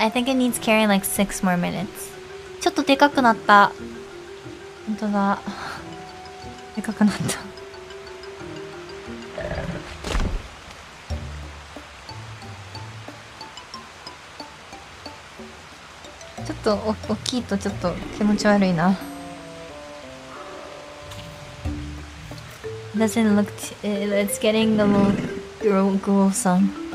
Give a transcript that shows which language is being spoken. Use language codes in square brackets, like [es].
[en] I think it needs caring like 6 more minutes. [ja] ちょっとでかくなった。ほんとだ。でかくなった。ちょっと大きいとちょっと気持ち悪いな。 [en] Doesn't look too, it's getting a little gruesome.